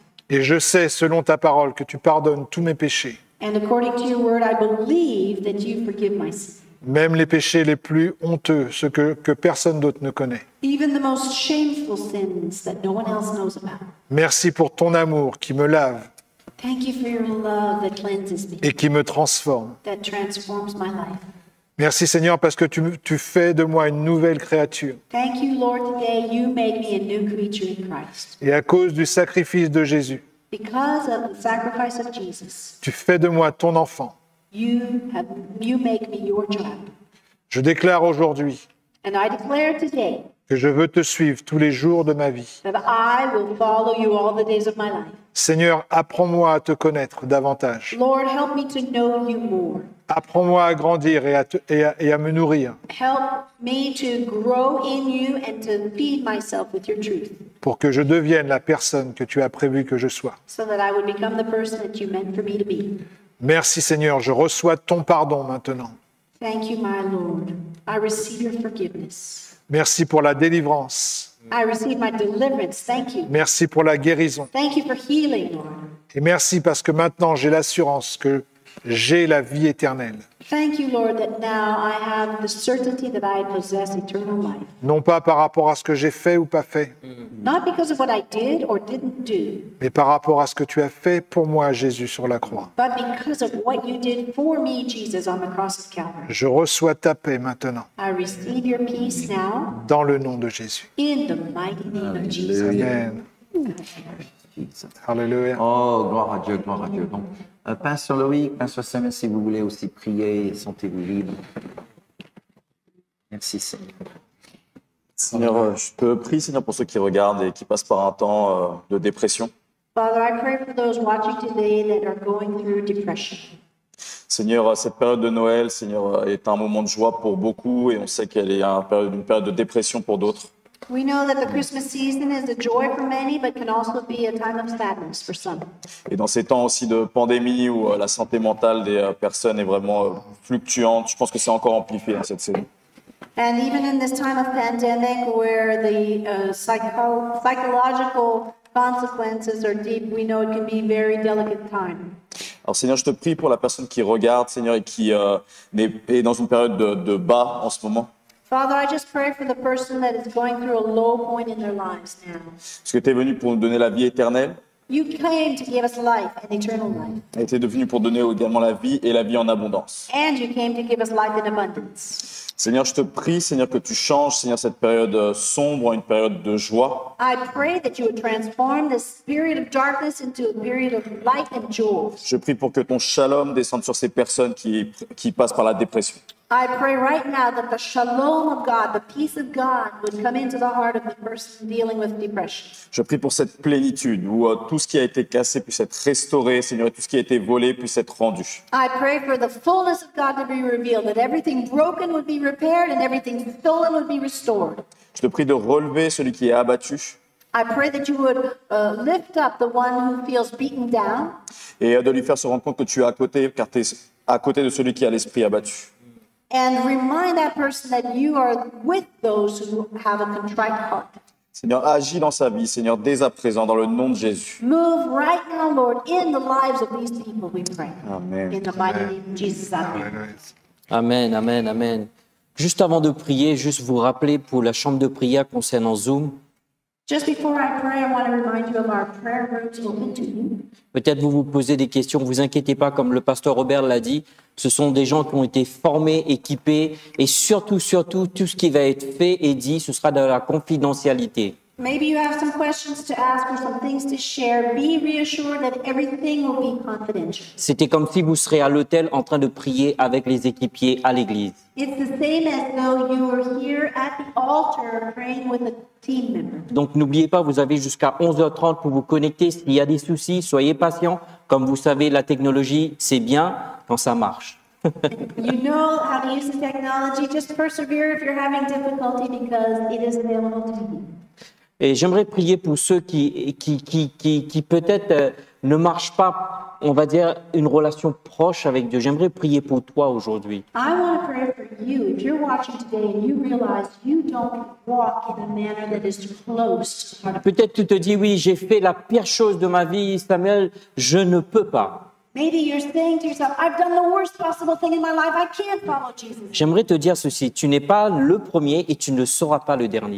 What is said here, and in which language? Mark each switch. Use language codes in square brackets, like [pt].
[fr] Et je sais, selon ta parole, que tu pardonnes tous mes péchés. Même les péchés les plus honteux, ceux que personne d'autre ne connaît. [en] Even the most shameful sins that no one else knows about. [fr] Merci pour ton amour qui me lave. [en] Thank you for your love that cleanses me. [fr] Et qui me transforme. [en] That transforms my life. [fr] Merci Seigneur parce que tu fais de moi une nouvelle créature. [en] Thank you Lord, today you made me a new creature in Christ. [fr] Et à cause du sacrifice de Jésus. [en] Because of the sacrifice of Jesus. [fr] Tu fais de moi ton enfant. [en] You make me your child. [fr] Je déclare aujourd'hui [en] and I declare today [fr] que je veux te suivre tous les jours de ma vie. [en] That I will follow you all the days of my life. [fr] Seigneur, apprends-moi à te connaître davantage. [en] Lord, help me to know you more. [fr] Apprends-moi à grandir et à me nourrir. [en] Help me to grow in you and to feed myself with your truth. [fr] Pour que je devienne la personne que tu as prévu que je sois. [en] So that I would become the person that you meant for me to be. [fr] Merci Seigneur, je reçois ton pardon maintenant. [en] Thank you, my Lord. I receive your forgiveness. [fr] Merci pour la délivrance. [en] I receive my deliverance. Thank you. [fr] Merci pour la guérison. [en] Thank you for healing, Lord. [fr] Et merci parce que maintenant j'ai l'assurance que j'ai la vie éternelle. [en] Thank you, Lord, that now I have the certainty that I possess eternal life. [fr] Non pas par rapport à ce que j'ai fait ou pas fait. [en] Not because of what I did or didn't do. [fr] Mais par rapport à ce que tu as fait pour moi, Jésus, sur la croix. [en] But because of what you did for me, Jesus, on the cross of Calvary. [fr] Je reçois ta paix maintenant. [en] I receive your peace now. [fr] Dans le nom de Jésus. [en] In the mighty name of Jesus. Amen. Hallelujah. [fr] Oh, gloire à Dieu, gloire à Dieu. Donc, Pasteur Loïc, Pasteur Sam, si vous voulez aussi prier, sentez-vous libre. Merci Seigneur. Seigneur, je te prie, Seigneur, pour ceux qui regardent et qui passent par un temps de dépression. [en] Father, I pray for those watching today that are going through depression. [fr] Seigneur, cette période de Noël, Seigneur, est un moment de joie pour beaucoup et on sait qu'elle est une période de dépression pour d'autres. [en] We know that the Christmas season is a joy for many, but can also be a time of sadness for some. [fr] Et dans ces temps aussi de pandémie où la santé mentale des personnes est vraiment fluctuante, je pense que c'est encore amplifié dans cette saison. [en] And even in this time of pandemic, where the psychological consequences are deep, we know it can be a very delicate time. [fr] Alors Seigneur, je te prie pour la personne qui regarde, Seigneur, et qui est dans une période de bas en ce moment. [en] Father, I just pray for the person that is going through a low point in their lives now. [fr] Parce que tu es venu pour nous donner la vie éternelle. [en] You came to give us life and eternal life. [fr] Et tu es venu pour donner également la vie et la vie en abondance. [en] And you came to give us life in abundance. [fr] Seigneur, je te prie, Seigneur, que tu changes, Seigneur, cette période sombre en une période de joie. [en] I pray that you would transform this period of darkness into a period of light and joy. [fr] Je prie pour que ton shalom descende sur ces personnes qui passent par la dépression. [en] I pray right now that the shalom of God, the peace of God, would come into the heart of the person dealing with depression. [fr] Je prie pour cette plénitude où tout ce qui a été cassé puisse être restauré, Seigneur, et tout ce qui a été volé puisse être rendu. [en] I pray for the fullness of God to be revealed, that everything broken would be repaired and everything stolen would be restored. [fr] Je te prie de relever celui qui est abattu. [en] I pray that you would lift up the one who feels beaten down. [fr] Et de lui faire se rendre compte que tu es à côté, car tu es à côté de celui qui a l'esprit abattu. [en] And remind that person that you are with those who have a contrite heart. [fr] Seigneur, agis dans sa vie, Seigneur, dès à présent, dans le nom de Jésus. [en] Move right now, Lord, in the lives of these people, we pray. Amen. In the mighty name of Jesus, amen. Amen, amen, amen. [fr] Juste avant de prier, juste vous rappeler pour la chambre de prière concernant Zoom. [en] Just before I pray, I want to remind you of our prayer groups open to you. [fr] Peut-être vous vous posez des questions, vous inquiétez pas, comme le pasteur Robert l'a dit, ce sont des gens qui ont été formés, équipés, et surtout, surtout, tout ce qui va être fait et dit, ce sera dans la confidentialité. [en] Maybe you have some questions to ask or some things to share. Be reassured that everything will be confidential. [fr] C'était comme si vous seriez à l'hôtel en train de prier avec les équipiers à l'église. [en] It's the same as though you were here at the altar praying with a team member. [fr] Donc n'oubliez pas, vous avez jusqu'à 11h30 pour vous connecter. S'il y a des soucis, soyez patient. Comme vous savez, la technologie, c'est bien quand ça marche. [en] You know how to use the technology. Just persevere if you're having difficulty because it is available to you. [fr] Et j'aimerais prier pour ceux qui peut-être ne marchent pas, on va dire, une relation proche avec Dieu. J'aimerais prier pour toi aujourd'hui. [en] I want to pray for you. If you're watching today and you realize you don't walk in a manner that is close. [fr] Peut-être tu te dis, oui, j'ai fait la pire chose de ma vie, Samuel, je ne peux pas. [en] Maybe you're saying to yourself, I've done the worst possible thing in my life. I can't follow Jesus. [fr] J'aimerais te dire ceci, tu n'es pas le premier et tu ne seras pas le dernier.